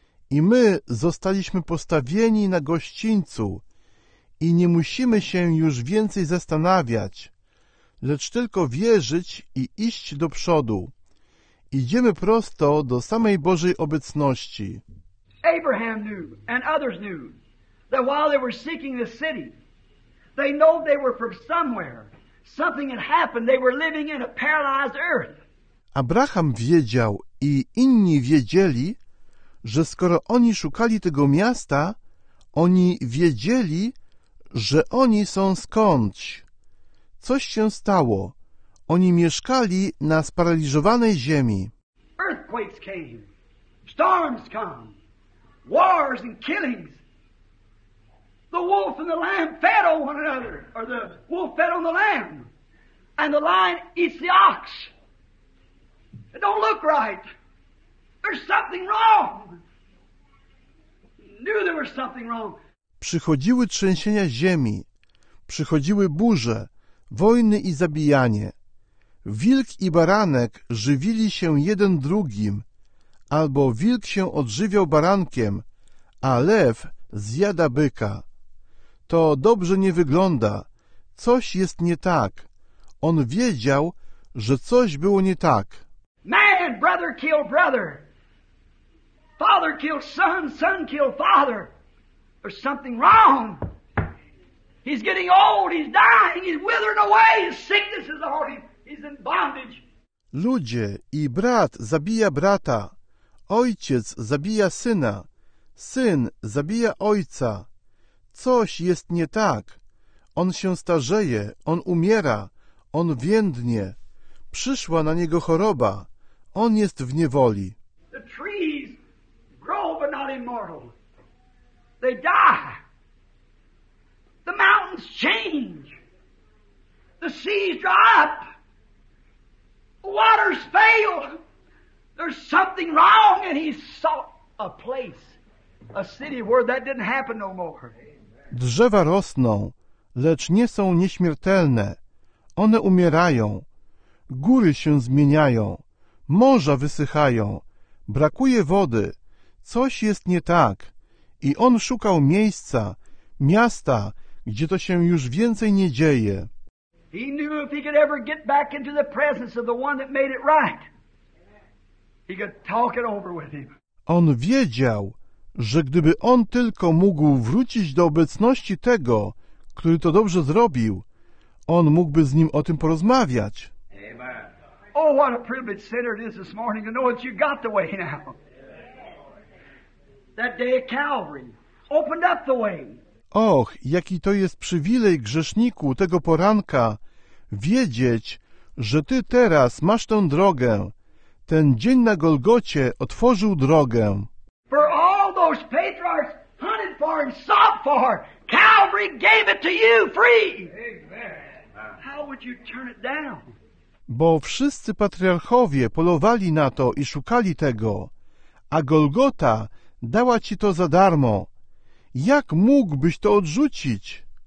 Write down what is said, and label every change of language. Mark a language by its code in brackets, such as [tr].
[pl] I my zostaliśmy postawieni na gościńcu i nie musimy się już więcej zastanawiać, lecz tylko wierzyć i iść do przodu. Idziemy prosto do samej Bożej obecności. [en] Abraham knew, and others knew, that while they were seeking the city, they know they were from somewhere. Something had happened. They were living in a paralyzed earth. [pl] Abraham wiedział i inni wiedzieli, że skoro oni szukali tego miasta, oni wiedzieli, że oni są skądś. Coś się stało. Oni mieszkali na sparaliżowanej ziemi. [en] Earthquakes came. Storms come. Wars and killings. The wolf and the lamb fed on one another, or the wolf fed on the lamb, and the lion eats the ox. It don't look right. There's something wrong. Knew there was something wrong. [pl] Przychodziły trzęsienia ziemi, przychodziły burze, wojny i zabijanie. wilk i baranek żywili się jeden drugim, albo wilk się odżywiał barankiem, a lew zjada byka. To dobrze nie wygląda. Coś jest nie tak. On wiedział, że coś było nie tak. [en] Man, brother killed brother. Father killed son, son killed father. There's something wrong. He's getting old, he's dying, he's withering away. His sickness is on him. He's in bondage. [pl] Ludzie, i brat zabija brata. Ojciec zabija syna. Syn zabija ojca. Coś jest nie tak. On się starzeje, on umiera, on więdnie. Przyszła na niego choroba. On jest w niewoli. [en] The trees grow but not immortal. They die. The mountains change. The seas dry up. The waters fail. There's something wrong, and he sought a place, a city where that didn't happen no more. [pl] Drzewa rosną, lecz nie są nieśmiertelne. One umierają. Góry się zmieniają. Morza wysychają. Brakuje wody. Coś jest nie tak. I on szukał miejsca, miasta, gdzie to się już więcej nie dzieje. [en] He knew if he could ever get back into the presence of the one that made it right, he could talk it over with him. [pl] On wiedział, że gdyby on tylko mógł wrócić do obecności tego, który to dobrze zrobił, on mógłby z nim o tym porozmawiać. [en] Amen. Oh, what a privilege, sinner, it is this morning to know that you got the way now. That day at Calvary opened up the way. [pl] Och, jaki to jest przywilej, grzeszniku, tego poranka, wiedzieć, że ty teraz masz tę drogę. Ten dzień na Golgocie otworzył drogę. [en] For all those patriarchs hunted for and sought for, Calvary gave it to you free. Amen. How would you turn it down? [pl] Bo wszyscy patriarchowie polowali na to i szukali tego, a Golgota dała ci to za darmo. Jak mógłbyś to odrzucić?